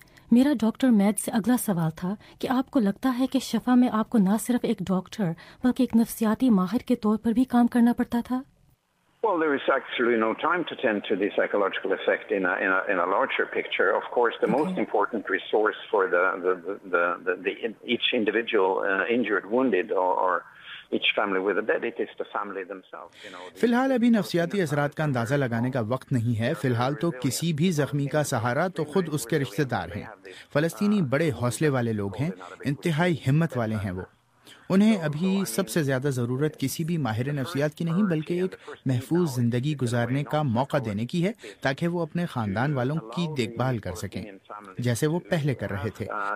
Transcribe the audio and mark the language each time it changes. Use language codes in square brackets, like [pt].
[ur] میرا doctor made سے اگلا سوال تھا کہ آپ کو لگتا ہے کہ شفا میں آپ کو نہ صرف ایک ڈاکٹر بلکہ ایک نفسیاتی ماہر کے طور پر بھی کام کرنا پڑتا تھا؟ [en] Well, there is actually no time to tend to the psychological effect in a larger picture. Of course, the most important resource for the each individual injured, wounded or each family with a dead, it is the family themselves. [ur] فی الحال ابھی نفسیاتی اثرات کا اندازہ لگانے کا وقت نہیں ہے۔ فی الحال تو کسی بھی زخمی کا سہارا تو خود اس کے رشتہ دار ہیں۔ فلسطینی بڑے حوصلے والے لوگ ہیں، انتہائی ہمت والے ہیں۔ وہ انہیں ابھی سب سے زیادہ ضرورت کسی بھی ماہر نفسیات کی نہیں بلکہ ایک محفوظ زندگی گزارنے کا موقع دینے کی ہے، تاکہ وہ اپنے خاندان والوں کی دیکھ بھال کر سکیں جیسے وہ پہلے کر رہے تھے۔